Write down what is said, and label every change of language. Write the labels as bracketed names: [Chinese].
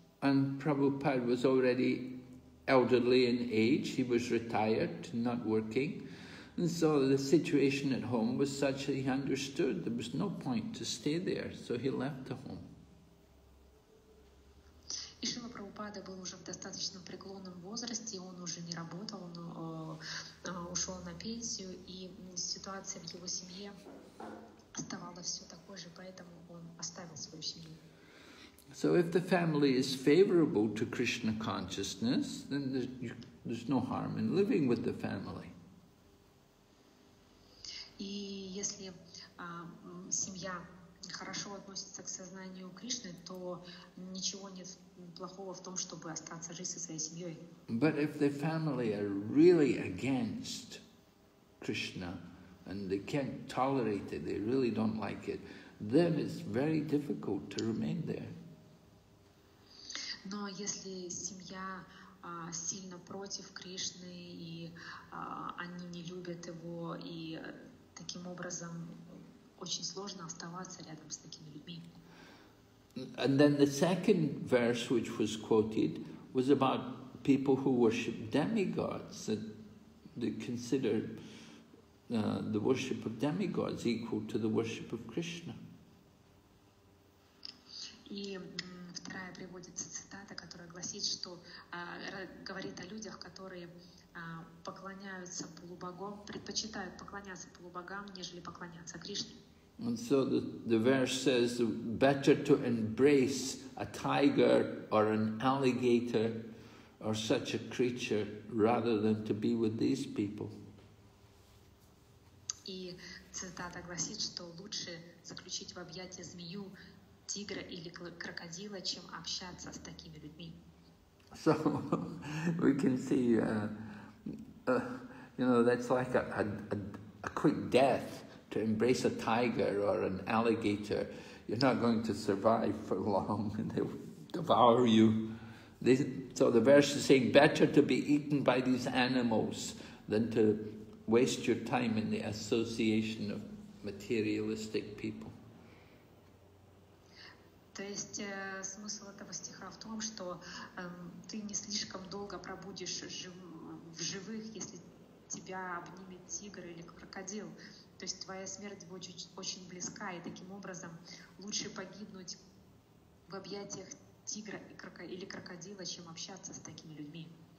[English] And Prabhupada was already elderly in age, he was retired, not working. And so the situation at home was such that he understood there was no point to stay there, so he left the home. [Russian] И Шрила Прабхупада был уже в достаточно преклонном возрасте, он уже не работал, он ушел на пенсию, и ситуация в его семье оставалась все такой же, поэтому он оставил свою семью. [English] So if the family is favorable to Krishna consciousness, then there's no harm in living with the family. [Russian] И если семья хорошо относится к сознанию Кришны, то ничего нет плохого в том, чтобы остаться жить со своей семьей. [English] But if the family are really against Krishna and they can't tolerate it, they really don't like it, then it's very difficult to remain there. [Russian] Но если семья сильно против Кришны и они не любят его, и таким образом очень сложно оставаться рядом с такими людьми. [English] And then the second verse which was quoted was about people who worship demigods, that they consider the worship of demigods equal to the worship of Krishna. [Russian] И вторая приводится цитата, которая гласит, что говорит о людях, которые поклоняются полубогам, предпочитают поклоняться полубогам, нежели поклоняться Кришне. [English] And so the verse says, better to embrace a tiger or an alligator or such a creature rather than to be with these people. [Russian] И цитата гласит, что лучше заключить в объятия змею, тигра или крокодила, чем общаться с такими людьми. [English] So we can see, you know, that's like a quick death. To embrace a tiger or an alligator, you're not going to survive for long, and they will devour you. So the verse is saying, better to be eaten by these animals than to waste your time in the association of materialistic people. [Russian] То есть смысл этого стиха в том, что ты не слишком долго пробудешь в живых, если тебя обнимет тигр или крокодил. То есть твоя смерть будет очень близка, и таким образом лучше погибнуть в объятиях тигра или крокодила, чем общаться с такими людьми.